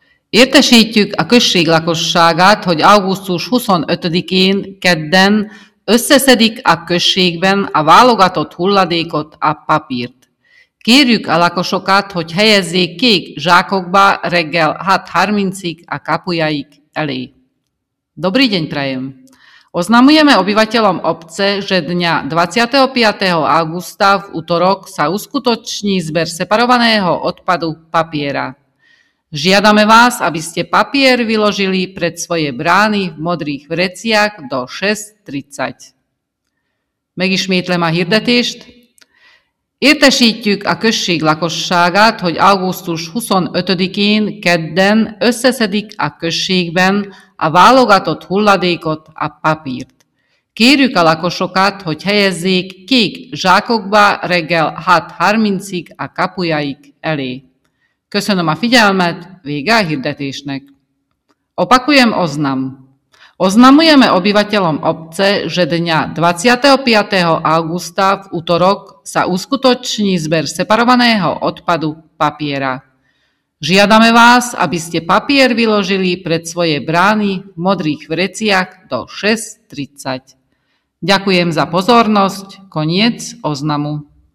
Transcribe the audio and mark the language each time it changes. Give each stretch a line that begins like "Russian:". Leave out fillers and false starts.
Hungarian: Értesítjük a község lakosságát, hogy augusztus 25-én, kedden összeszedik a községben a válogatott hulladékot, a papírt. Kérjük a lakosokat, hogy helyezzék kék zsákokba reggel 6:30-ig a kapujaik elé.
Slovak: Dobrý deň prajem! Oznamujeme obyvateľom obce, že dňa 25. augusta v utorok sa uskutoční zber separovaného odpadu papiera. Žiadame vás, aby ste papier vyložili pred svoje brány v modrých vreciach do 6:30.
Hungarian: Megismétlem a hirdetést. Értesítjük a község lakosságát, hogy augusztus 25-én, kedden összeszedik a községben a válogatott hulladékot, a papírt. Kérjük a lakosokat, hogy helyezzék kék zsákokba reggel 6:30-ig a kapujaik elé. Köszönöm a figyelmet, vége a hirdetésnek.
Slovak: Opakujem oznam. Oznamujeme obyvateľom obce, že dňa 25. augusta v utorok sa uskutoční zber separovaného odpadu papiera. Žiadame vás, aby ste papier vyložili pred svoje brány v modrých vreciach do 6:30. Ďakujem za pozornosť. Koniec oznamu.